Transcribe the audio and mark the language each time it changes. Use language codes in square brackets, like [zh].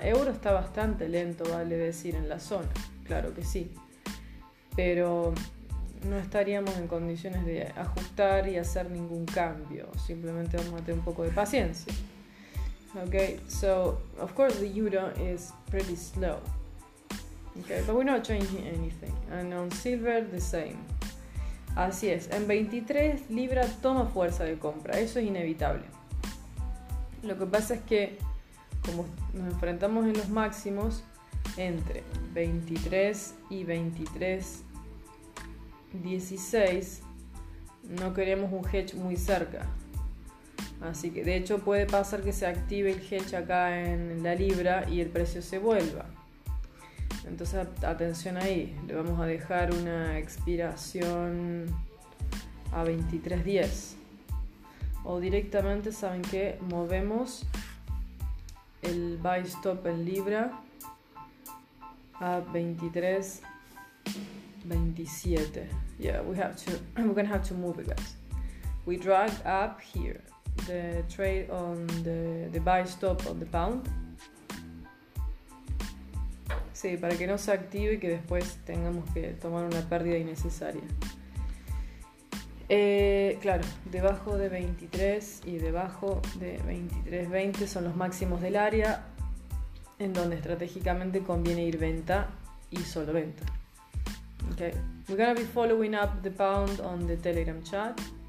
[es] Euro está bastante lento, vale decir, en la zona. Claro que sí. Pero no estaríamos en condiciones de ajustar y hacer ningún cambio. Simplemente vamos a tener un poco de paciencia. [en] Okay, so of course the euro is pretty slow. Okay, but we're not changing anything. And on silver, the same. [es] Así es, en 23 libra toma fuerza de compra. Eso es inevitable. Lo que pasa es que, como nos enfrentamos en los máximos, entre 23 y 23... 16, no queremos un hedge muy cerca, así que de hecho puede pasar que se active el hedge acá en la libra y el precio se vuelva. Entonces atención ahí, le vamos a dejar una expiración a 23.10, o directamente, saben que movemos el buy stop en libra a 23.27. [en] Yeah, we're gonna have to move it, guys. We drag up here the trade on the buy stop on the pound. [es] Sí, para que no se active y que después tengamos que tomar una pérdida innecesaria. Claro, debajo de 23 y debajo de 23.20 son los máximos del área en donde estratégicamente conviene ir venta y solo venta. [en] Okay, we're gonna be following up the pound on the Telegram chat.